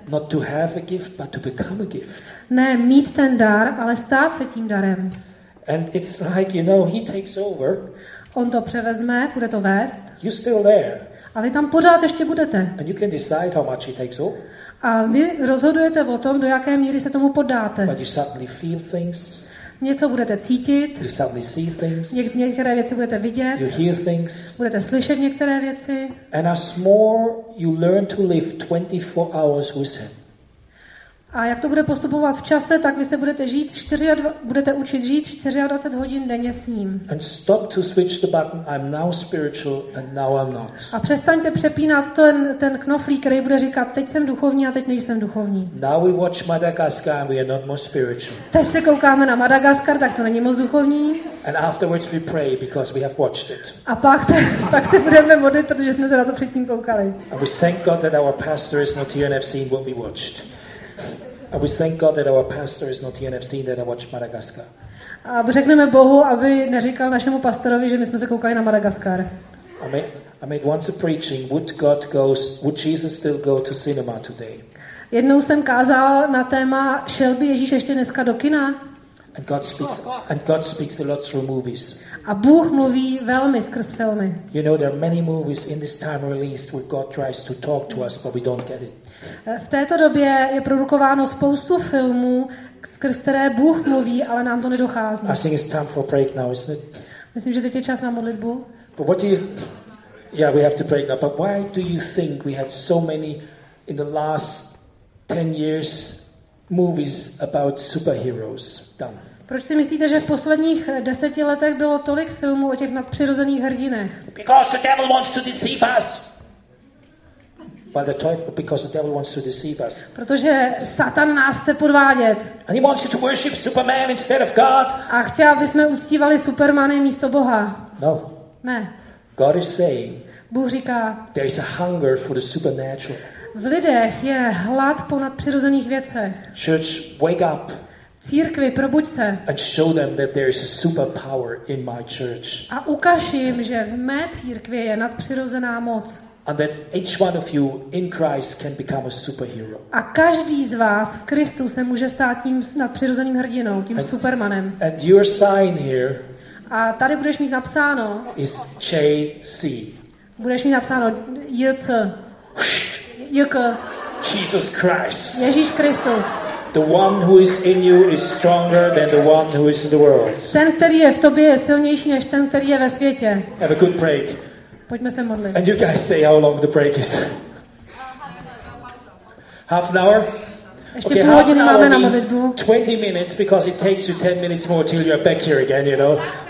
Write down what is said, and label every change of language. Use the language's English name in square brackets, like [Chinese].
[English] Not to have a gift, but to become a gift. [Czech] Ne mít ten dar, ale stát se tím darem. [English] And it's like, you know, he takes over. [Czech] On to převezme, bude to vést. [English] You're still there. [Czech] A vy tam pořád ještě budete. [English] And you can decide how much he takes over. [Czech] A vy rozhodujete o tom, do jaké míry se tomu poddáte. [English] But you suddenly feel things. [Czech] Něco budete cítit. [English] You suddenly see things. [Czech] Některé věci budete vidět. [English] You hear things. [Czech] Budete slyšet některé věci. [English] And as more you learn to live 24 hours with him. [Czech] A jak to bude postupovat v čase, tak vy se budete žít budete učit žít 24 hodin denně s ním. [English] And stop to switch the button. I'm now spiritual and now I'm not. [Czech] A přestaňte přepínat ten knoflík, který bude říkat teď jsem duchovní a teď nejsem duchovní. [English] Now we watch Madagascar and we are not more spiritual. [Czech] Teď se koukáme na Madagaskar, tak to není moc duchovní. [English] And afterwards we pray because we have watched it. [Czech] A pak se budeme modlit, protože jsme se na to předtím koukali. [English] And we thank God that our pastor is not here and have seen what we watched. And we thank God that our pastor is not here and have seen that I watched Madagascar. [Czech] A řekneme Bohu, aby neříkal našemu pastorovi, že my jsme se koukali na Madagaskar. [English] I made once a preaching, would Jesus still go to cinema today? [Czech] Jednou jsem kázal na téma, šel by Ježíš ještě dneska do kina? [English] And God speaks a lot through movies. [Czech] A Bůh mluví velmi skrz filmy. [English] You know, there are many movies in this time released where God tries to talk to us, but we don't get it. [Czech] V této době je produkováno spoustu filmů, skrz které Bůh mluví, ale nám to nedochází. [English] I think it's time for a break now, isn't it? [Czech] Myslím, že teď je čas na modlitbu. [English] But what do you? Yeah, we have to break now. But why do you think we had so many in the last 10 years movies about superheroes done? [Czech] Proč si myslíte, že v posledních 10 letech bylo tolik filmů o těch nadpřirozených hrdinech? [English] Because the devil wants to deceive us. Because the devil wants to deceive us. [Czech] Protože Satan nás chce podvádět. [English] And he wants you to worship Superman instead of God. [Czech] A chtěl, aby jsme uctívali Supermany místo Boha. [English] No. [Czech] Ne. [English] God is saying. [Czech] Bůh říká. [English] There is a hunger for the supernatural. [Czech] V lidech je hlad po nadpřirozených věcech. [English] Church, wake up. [Czech] Církvi, probuď se. [English] And show them that there is a superpower in my church. [Czech] A ukaž jim, že v mé církvi je nadpřirozená moc. [English] And that each one of you in Christ can become a superhero. [Czech] A každý z vás v Kristu se může stát tím nadpřirozeným hrdinou, tím Supermanem. [English] And your sign here. [Czech] A tady budeš mít napsáno. [English] Is JC. [Czech] Budeš mít napsáno JC. JK. [English] Jesus Christ. [Czech] Ježíš Kristus. [English] The one who is in you is stronger than the one who is in the world. [Czech] Ten, který je v tobě, je silnější než ten, který je ve světě. [English] Have a good break. [Czech] Pojďme se modlit. [English] And you guys say how long the break is. Half an hour? [Czech] Ještě půl hodiny máme na modlitbu. [English] 20 minutes because it takes you 10 minutes more till you're back here again, you know.